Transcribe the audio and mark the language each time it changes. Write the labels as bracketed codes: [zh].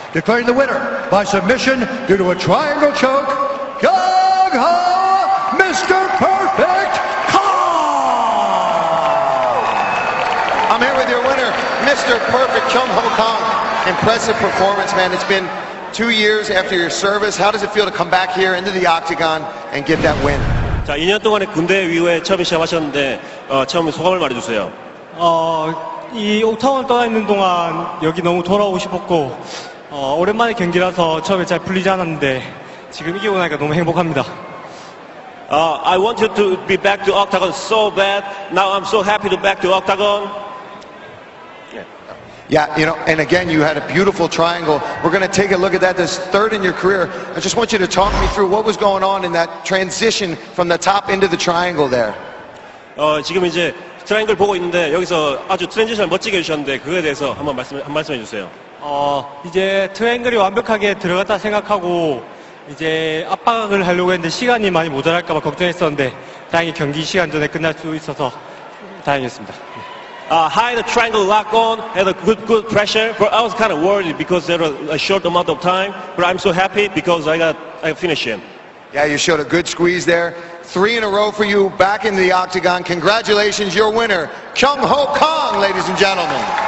[en] Declaring the winner by submission due to a triangle choke, Kyung Ho, Mr. Perfect Kang! I'm here with your winner, Mr. Perfect Kyung Ho Kang. Impressive performance, man. It's been 2 years after your service. How does it feel to come back here into the octagon and get that win? [ko] 자, 2년 동안에 군대 이후에 처음 시작하셨는데 처음에 소감을 말해주세요. 이 옥타곤 떠나 있는 동안 여기 너무 돌아오고 싶었고 오랜만에 경기라서 처음에 잘 풀리지 않았는데 지금 이기고 나니까 너무 행복합니다. [en] I wanted to be back to octagon so bad. Now I'm so happy to back to octagon. Yeah, you know, and again, you had a beautiful triangle. We're going to take a look at that. This third in your career. I just want you to talk me through what was going on in that transition from the top into the triangle there. [ko] 지금 이제 트라이앵글 보고 있는데 여기서 아주 트랜지션을 멋지게 해주셨는데 그거에 대해서 한 말씀해 주세요. 이제 트라이앵글이 완벽하게 들어갔다 생각하고 이제 압박을 하려고 했는데 시간이 많이 모자랄까 봐 걱정했었는데 다행히 경기 시간 전에 끝날 수 있어서 다행이었습니다. [en] High the triangle lock on, had a good pressure, but I was kind of worried because there was a short amount of time, but I'm so happy because I finished him. Yeah, you showed a good squeeze there. Three in a row for you back in the octagon. Congratulations, your winner, Kyung Ho Kang, ladies and gentlemen.